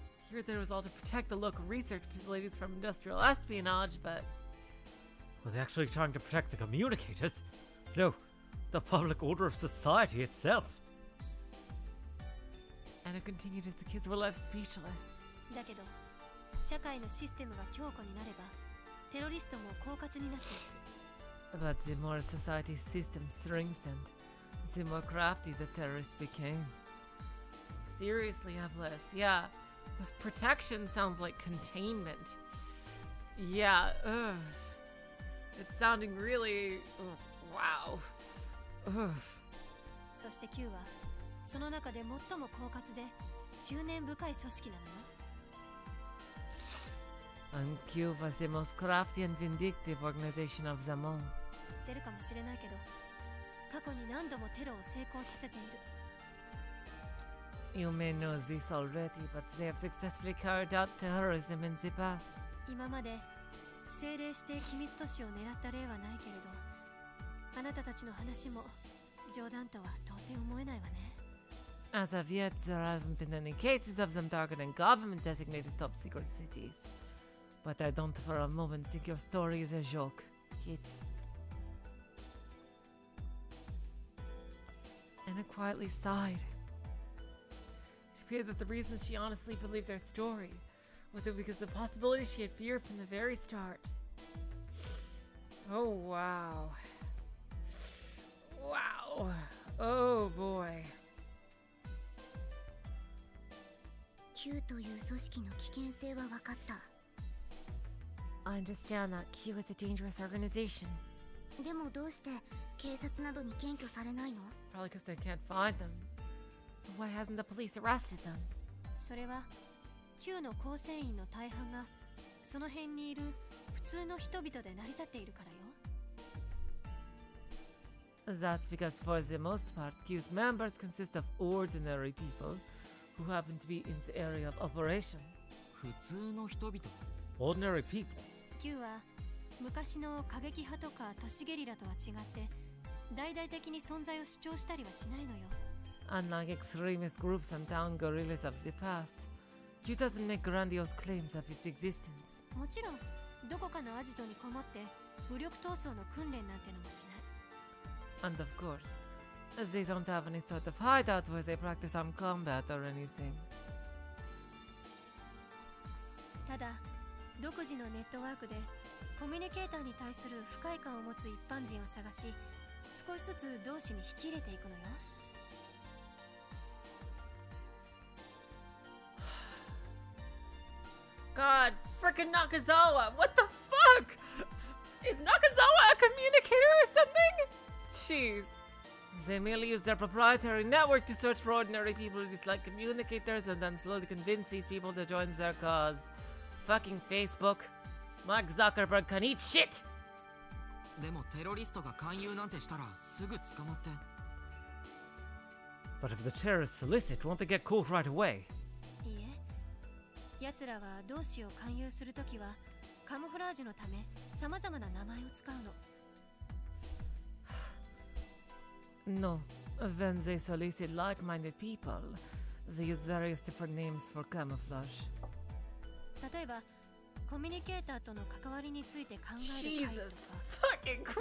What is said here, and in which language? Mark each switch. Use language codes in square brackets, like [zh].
[en] Here there was all to protect the local research facilities from industrial espionage, but... Were they actually trying to protect the communicators? No. The public order of society itself. And it continued as the kids were left speechless. [ja] だけど、社会のシステムが強固になれば、テロリストも狡猾になっていく。 [en] But the more society's system strengthened, the more crafty the terrorists became. Seriously, Ablis, yeah, this protection sounds like containment. Yeah, ugh. It's sounding really... Ugh, wow. [ja] そして Q はその中で最も狡猾で執念深い組織なのよ。 [en] And Q was the most crafty and vindictive organization of them all. [ja] 知ってるかもしれないけど、過去に何度もテロを成功させている。 [en] You may know this already, but they have successfully carried out terrorism in the past. [ja] 今まで政令指定機密都市を狙った例はないけれど。あなたたちの話も冗談とは到底思えないわね。 [en] As of yet, there haven't been any cases of them targeting government-designated top secret cities. But I don't for a moment think your story is a joke, kids. Anna quietly sighed. It appeared that the reason she honestly believed their story was because of the possibility she had feared from the very start. Oh, wow. Wow! Oh boy! [ja] Q という組織の危険性は分かった。 [en] I understand that Q is a dangerous organization. [ja] でもどうして警察などに検挙されないの? [en] Probably because they can't find them. Why hasn't the police arrested them? [ja] それは Q の構成員の大半がその辺にいる普通の人々で成り立っているからよ。 [en] That's because for the most part, Q's members consist of ordinary people who happen to be in the area of operation. [ja] 普通の人々? [en] Ordinary people? [ja] Q は昔の過激派とか都市ゲリラとは違って大々的に存在を主張したりはしないのよ。 [en] Unlike extremist groups and town guerrillas of the past, Q doesn't make grandiose claims of its existence. [ja] もちろん、どこかのアジトにこもって武力闘争の訓練なんてのもしない。 [en] And of course, they don't have any sort of hideout where they practice armed combat or anything. [ja] ただ、独自のネットワークでコミュニケーターに対する不快感を持つ一般人を探し、少しずつ同士に引き入れていくのよ。 [en] God, frickin' Nakazawa! What the fuck? Is Nakazawa a communicator or something? Jeez. They merely use their proprietary network to search for ordinary people who dislike communicators and then slowly convince these people to join their cause. Fucking Facebook. Mark Zuckerberg can eat shit! But if the terrorists solicit, won't they get caught right away? [ja] いいえ。奴らは同志を勧誘するときは、カムフラージュのため様々な名前を使うの。 [en] No, when they solicit like-minded people, they use various different names for camouflage. [ja] 例えば、コミュニケーターとの関わりについて考える会とか。